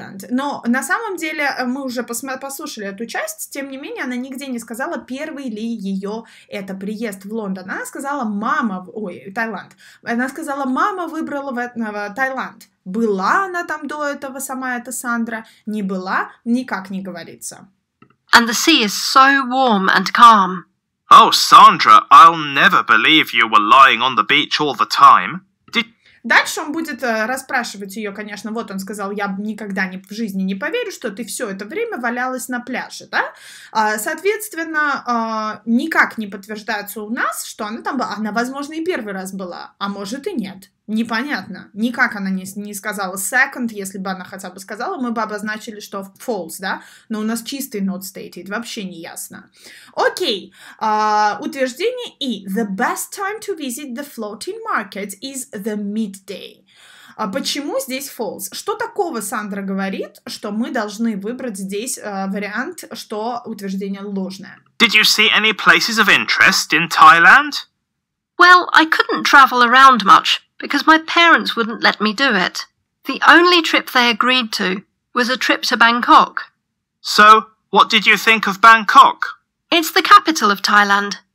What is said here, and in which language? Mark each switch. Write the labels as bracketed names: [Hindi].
[Russian] Но на самом деле мы уже послушали эту часть, тем не менее она нигде не сказала, первый ли ее это приезд в Лондон. Она сказала, Таиланд. Она сказала, мама выбрала в Таиланд. Была она там до этого, сама эта Сандра? Не была? Никак не говорится. [English] And the sea is so warm and calm. Oh, Sandra, I'll never believe you were lying on the beach all the time. [Russian] Дальше он будет расспрашивать ее, конечно, вот он сказал, я никогда не, в жизни не поверю, что ты все это время валялась на пляже, да? Соответственно, никак не подтверждается у нас, что она там была. Она, возможно, и первый раз была, а может и нет. Непонятно. Никак она не сказала second, если бы она хотя бы сказала, мы бы обозначили, что false, да? Но у нас чистый [English] not stated, [Russian] вообще не ясно. Окей, утверждение E. [English] The best time to visit the floating market is the midday. [Russian] А почему здесь false? Что такого Сандра говорит, что мы должны выбрать здесь вариант, что утверждение ложное? [English] Did you see any places of interest in Thailand? Well, I couldn't travel around much. Because my parents wouldn't let me do it. The only trip they agreed to was a trip to Bangkok. So, what did you think of Bangkok? It's the capital of Thailand.